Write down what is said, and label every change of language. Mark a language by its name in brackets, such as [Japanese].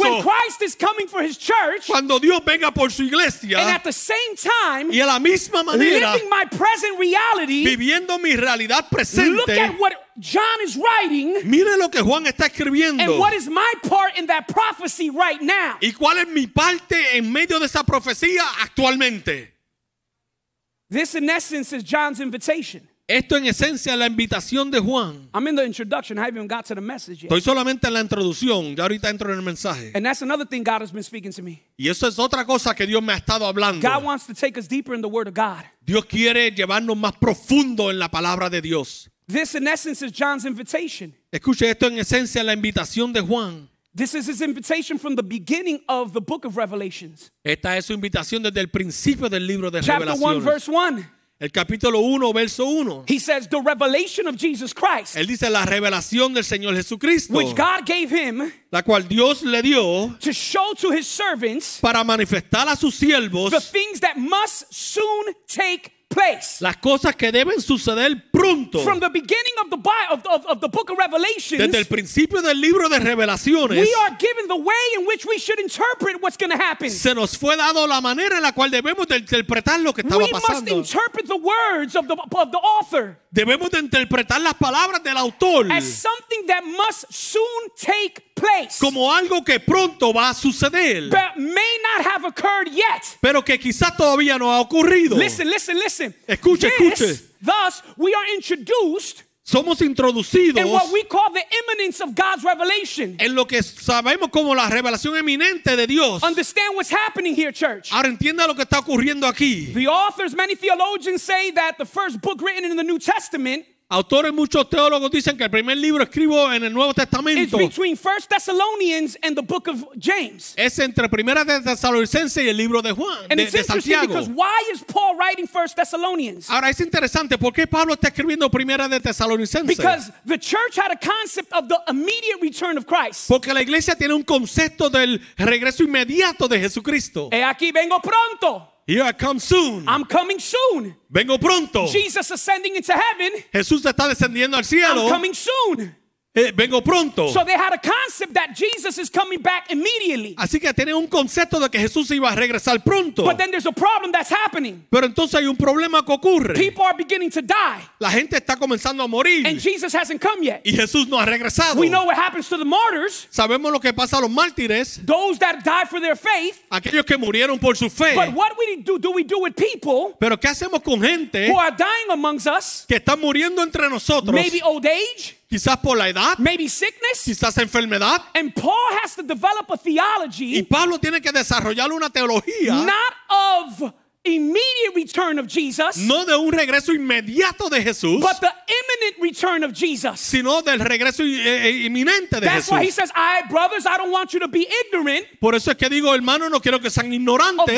[English] When Christ is coming for His church. [Spanish] Cuando Dios venga por su iglesia. [English] And at the same time. [Spanish] Y a la misma manera. [English] Living my present reality. [Spanish] Viviendo mi realidad presente. [English] Look at what John is writing. [Spanish] Mire lo que Juan está escribiendo. [English] And what is my part in that prophecy right now? [Spanish] ¿Y cuál es mi parte en medio de esa profecía actualmente? [English] This, in essence, is John's invitation. [Spanish] Esto en esencia es la invitación de Juan. [English] I'm in the introduction. I haven't even got to the message yet. [Spanish] Estoy solamente en la introducción. Ya ahorita entro en el mensaje. [English] And that's another thing God has been speaking to me. [Spanish] Y eso es otra cosa que Dios me ha estado hablando. [English] God wants to take us deeper in the Word of God. [Spanish] Dios quiere llevarnos más profundo en la palabra de Dios. [English] This, in essence, is John's invitation. [Spanish] Escuche, esto en esencia es la invitación de Juan. [English] This is his invitation from the beginning of the book of Revelations. [Spanish] Esta es su invitación desde el principio del libro de [English] Chapter Chapter 1, verse 1. [Spanish] El capítulo 1, verso 1. [English] He says, the revelation of Jesus Christ. [Spanish] Él dice, la revelación del Señor Jesucristo. [English] Which God gave him. [Spanish] La cual Dios le dio. [English] To show to his servants. [Spanish] Para manifestar a sus siervos. [English] The things that must soon take place. [Spanish] Las cosas que deben suceder pronto. [English] From the beginning of the book of Revelations. [Spanish] Desde el principio del libro de Revelaciones. [English] We are given the way in which we should interpret what's going to happen. [Spanish] Se nos fue dado la manera en la cual debemos de interpretar lo que estaba pasando. [English] We must interpret the words of the author. [Spanish] Debemos de interpretar las palabras del autor. [English] As something that must soon take place. [Spanish] Como algo que pronto va a suceder. [English] But may not have occurred yet. [Spanish] Pero que quizás todavía no ha ocurrido. [English] Listen. [Spanish] Escuche. [English] Thus, we are introduced. [Spanish] Somos introducidos. [English] In what we call the imminence of God's revelation. [Spanish] En lo que sabemos como la revelación eminente de Dios. [English] Understand what's happening here, church. [Spanish] Ahora entienda lo que está ocurriendo aquí. [English] The authors, many theologians say that the first book written in the New Testament. [Spanish] Autores, muchos teólogos dicen que el primer libro escrito en el Nuevo Testamento [English] is between 1 Thessalonians and the book of James. [Spanish] Es entre Primera de Tesalonicenses y el libro de Juan, [English] and [Spanish] de Santiago. [English] Because why is Paul writing 1 Thessalonians? [Spanish] Ahora es interesante, ¿por qué Pablo está escribiendo Primera de Tesalonicenses? [English] Because the church had a concept of the immediate return of Christ. [Spanish] Porque la iglesia tiene un concepto del regreso inmediato de Jesucristo. He aquí vengo pronto. [English] Here I come soon. I'm coming soon. [Spanish] Vengo pronto. [English] Jesus ascending into heaven. [Spanish] Jesús está descendiendo al cielo. [English] I'm coming soon. [Spanish] Vengo pronto. [English] So they had a concept that Jesus is coming back immediately. [Spanish] Así que tienen un concepto de que Jesús iba a regresar pronto. [English] But then there's a problem that's happening. [Spanish] Pero entonces hay un problema que ocurre. [English] People are beginning to die. [Spanish] La gente está comenzando a morir. [English] And Jesus hasn't come yet. [Spanish] Y Jesús no ha regresado. [English] We know what happens to the martyrs. [Spanish] Sabemos lo que pasa a los mártires. [English] Those that die for their faith. [Spanish] Aquellos que murieron por su fe. [English] But what do we do with people? [Spanish] Pero ¿qué hacemos con gente? [English] Who are dying amongst us? [Spanish] Que están muriendo entre nosotros. [English] Maybe old age? [Spanish] Quizás por la edad. [English] Maybe sickness. [Spanish] Quizás enfermedad. [English] And Paul has to develop a theology. [Spanish] Y Pablo tiene que desarrollar una teología. [English] Not of immediate return of Jesus. [Spanish] No de un regreso inmediato de Jesús. [English] But the imminent return of Jesus. [Spanish] Sino del regreso inminente de Jesús. [English] That's why he says, I, brothers, I don't want you to be ignorant. [Spanish] Por eso es que digo, hermano, no quiero que sean ignorantes.